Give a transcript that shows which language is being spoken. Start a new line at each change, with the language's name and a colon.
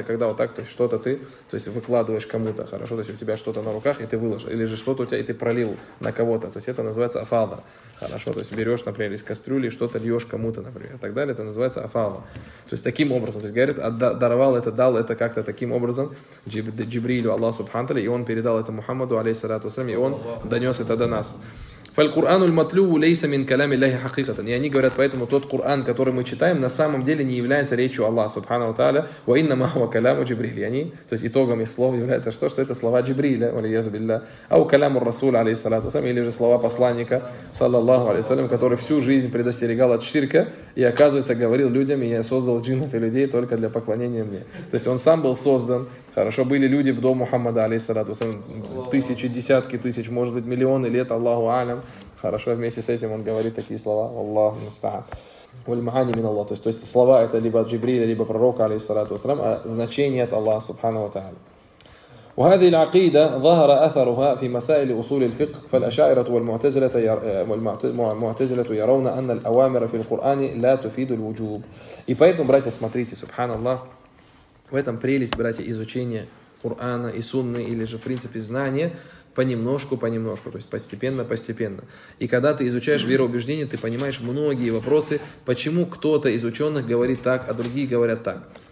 Russian: Это когда вот так, то есть что-то ты, то есть выкладываешь кому-то, хорошо, то есть у тебя что-то на руках и ты выложил, или же что-то у тебя и ты пролил на кого-то, то есть это называется афада, хорошо, то есть берешь, например, из кастрюли что-то льешь кому-то, например, и так далее, это называется афада. То есть таким образом, то есть говорит, даровал это, дал это как-то таким образом Джибрилю, Аллах Субханта, и он передал это Мухаммаду, алейхиссалату вассалям, и он донес это до нас.
Arabic: فالقرآن المطلوب ليس من كلام الله حقيقة. يعني
Russian: говорят, поэтому тот Коран, который мы читаем, на самом деле не является речью Аллаха Субхана ва Тааля,
Arabic: وإنما هو كلام جبريل. يعني
Russian: то есть итогом их слов является что? Что это слова Джибриля, валиязу биллях, ау каляму расуля алейхи салату ва салям, или же слова посланника саллаллаху алейхи ва салям, который всю жизнь предостерегал от ширка и, оказывается, говорил людям: я создал джиннов и людей только для поклонения мне. То есть он сам был создан. Хорошо, были люди до Мухаммада, алейхиссалату вассалям, тысячи, десятки тысяч, может быть, миллионы лет, Аллаху алям. Хорошо, вместе с этим он говорит такие слова. Аллаху мустаад. Вальмахани мин Аллах. То есть слова это либо от Джибриля, либо пророка, алейхиссалату вассалям, а значение от Аллаха, субхана ва тааля.
Arabic: وهذه العقيدة ظهر أثرها في مسائل أصول الفقه فالأشاعرة والمعتزلة يرون أن الأوامر في القرآن لا تفيد الوجوب.
Russian: И поэтому, братья, смотрите, субханаллах, в этом прелесть, братья, изучения Корана и Сунны, или же, в принципе, знания понемножку, то есть постепенно. И когда ты изучаешь вероубеждение, ты понимаешь многие вопросы, почему кто-то из ученых говорит так, а другие говорят так.